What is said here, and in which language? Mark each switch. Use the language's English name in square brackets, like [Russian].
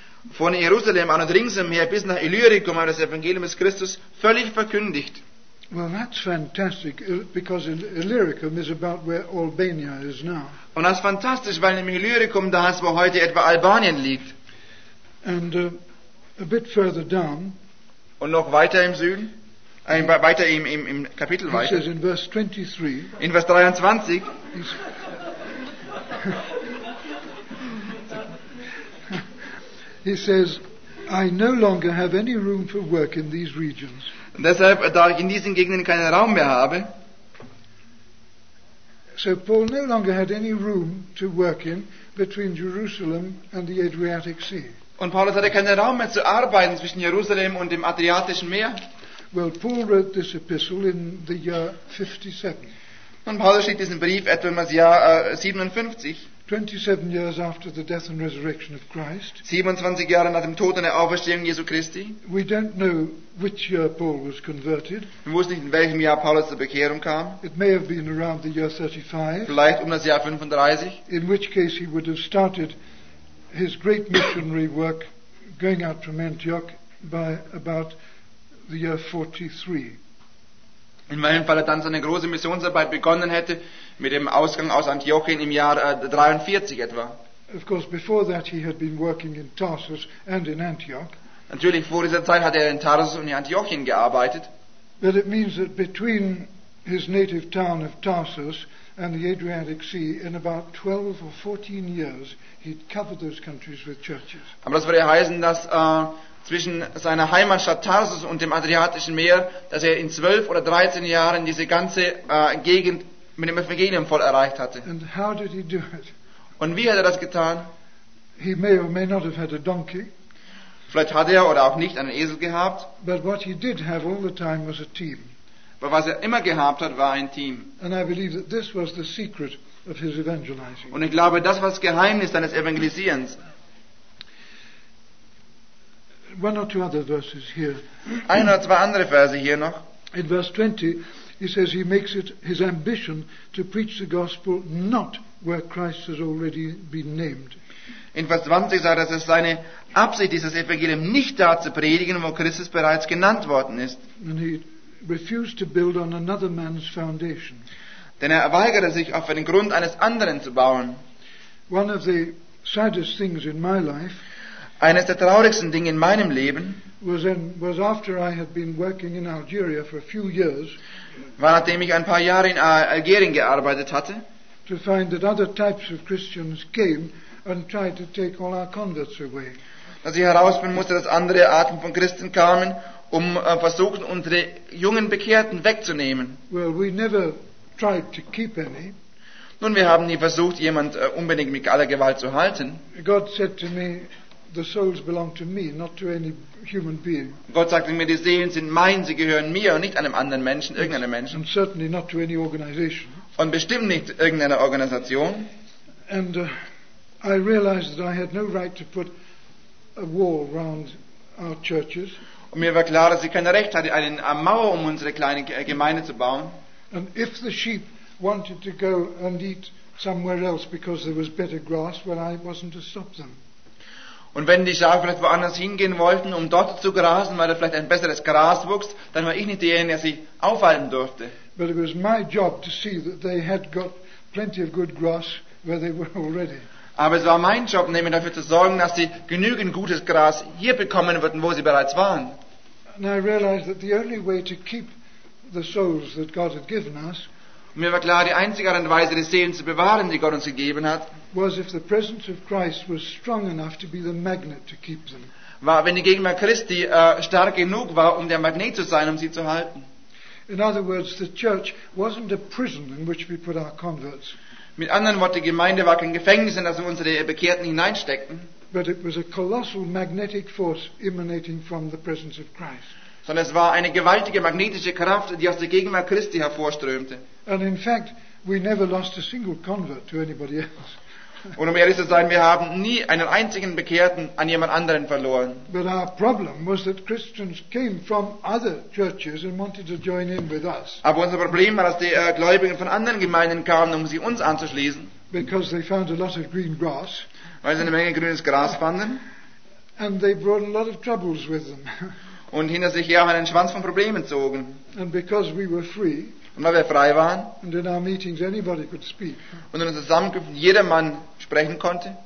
[German] von Jerusalem an und ringsumher bis nach Illyricum haben das Evangelium des Christus völlig verkündigt. [English] Well, that's fantastic, because Illyricum is about where Albania is now. [German] Und das ist fantastisch, weil im Illyricum da ist, wo heute etwa Albanien liegt. [English] And a bit further down. [German] Und noch weiter im Süden. Weiter im Kapitel [English] he [German] weiter. [English] Says in verse 23. [German] In Vers 23. [English] He says, I no longer have any room for work in these regions. [German] Deshalb, da ich in diesen Gegenden keinen Raum mehr habe. [English] So Paul no longer had any room to work in between Jerusalem and the Adriatic Sea. [German] Und Paulus hatte keinen Raum mehr zu arbeiten zwischen Jerusalem und dem Adriatischen Meer. [English] Well, Paul wrote this epistle in the year 57. [German] Und Paulus schrieb diesen Brief etwa im Jahr 57. [English] 27 years after the death and resurrection of Christ. [German] 27 Jahre nach dem Tod und der Auferstehung Jesu Christi. [English] We don't know which year Paul was converted. [German] Wir wussten nicht, in welchem Jahr Paulus zur Bekehrung kam. [English] It may have been around the year 35. [German] Vielleicht um das Jahr 35. [English] In which case he would have started his great missionary work going out from Antioch by about the year 43. [German] In meinem Fall dann seine große Missionsarbeit begonnen hätte mit dem Ausgang aus Antiochien im Jahr 43 etwa. [English] Of course, before that he had been working in Tarsus and in Antioch. [German] Natürlich vor dieser Zeit hat er in Tarsus und in Antiochien gearbeitet. [English] But it means that between his native town of Tarsus and the Adriatic Sea, in about 12 or 14 years, he'd covered those countries with churches. [German] Aber das würde heißen, dass zwischen seiner Heimatstadt Tarsus und dem Adriatischen Meer, dass er in 12 oder 13 Jahren diese ganze Gegend mit dem Evangelium voll erreicht hatte. [English] And how did he do it? [German] Und wie hat er das getan? [English] He may or may not have had a donkey. [German] Vielleicht hat er oder auch nicht einen Esel gehabt. [English] But what he did have all the time was a team. [German] Aber was er immer gehabt hat, war ein Team. [English] And I believe that this was the secret of his evangelizing. [German] Und ich glaube, das war das Geheimnis seines Evangelisierens. [English] One or two other verses here. [German] Ein oder zwei andere Verse hier noch. [English] In verse 20, he says he makes it his ambition to preach the gospel not where Christ has already been named. [German] In Vers 20 sagt er, dass es seine Absicht ist, das Evangelium nicht da zu predigen, wo Christus bereits genannt worden ist. [English] And he refused to build on another man's foundation. [German] Denn er weigerte sich, auf den Grund eines anderen zu bauen. [English] One of the saddest things in my life. [German] Eines der traurigsten Dinge in meinem Leben [English] was after I had been working in Algeria for a few years, [German] war nachdem ich ein paar Jahre in Algerien gearbeitet hatte, [English] to find that other types of Christians came and tried to take all our converts away. [German] Dass ich herausfinden musste, dass andere Arten von Christen kamen, um versuchten, unsere jungen Bekehrten wegzunehmen. [English] Well, we never tried to keep any. [German] Nun, wir haben nie versucht, jemand unbedingt mit aller Gewalt zu halten. [English] God said to me, the souls belong to me, not to any human being. [German] Gott sagte mir, die Seelen sind mein, sie gehören mir und nicht einem anderen Menschen, irgendeinem Menschen. [English] And certainly not to any organization. [German] Und bestimmt nicht irgendeiner Organisation. [English] And I realized that I had no right to put a wall round our churches. [German] Und mir war klar, dass ich kein Recht hatte, eine Mauer unsere kleine Gemeinde zu bauen. [English] And if the sheep wanted to go and eat somewhere else because there was better grass, well, I wasn't to stop them. [German] Und wenn die Schafe vielleicht woanders hingehen wollten, um dort zu grasen, weil da vielleicht ein besseres Gras wuchs, dann war ich nicht derjenige, der sie aufhalten durfte. [English] But it was my job to see that they had got plenty of good grass where they were already. [German] Aber es war mein Job, nämlich dafür zu sorgen, dass sie genügend gutes Gras hier bekommen würden, wo sie bereits waren. [English] And I realized that the only way to keep the souls that God had given us, [German] mir war klar, die einzige Art und Weise, die Seelen zu bewahren, die Gott uns gegeben hat, [English] was if the presence of Christ was strong enough to be the magnet to keep them. [German] War, wenn die Gegenwart Christi stark genug war, um der Magnet zu sein, um sie zu halten. [English] In other words, the church wasn't a prison in which we put our converts. [German] Mit anderen Worten, die Gemeinde war kein Gefängnis, in das wir unsere Bekehrten hineinsteckten. [English] But it was a colossal magnetic force emanating from the presence of Christ. [German] Sondern es war eine gewaltige magnetische Kraft, die aus der Gegenwart Christi hervorströmte. [English] And in fact, we never lost a single convert to anybody else. [German] Und um ehrlich zu sein, wir haben nie einen einzigen Bekehrten an jemand anderen verloren. [English] But our problem was that Christians came from other churches and wanted to join in with us. [German] Aber unser Problem war, dass die Gläubigen von anderen Gemeinden kamen, um sie uns anzuschließen. [English] Because they found a lot of green grass. [German] Weil sie eine Menge grünes Gras fanden. [English] And they brought a lot of troubles with them. [German] Und hinter sich her einen Schwanz von Problemen zogen. [English] And because we were free, [German] und weil wir frei waren, [English] and in our meetings anybody could speak, [German] und in unseren Zusammenkünften jeder Mann sprechen konnte,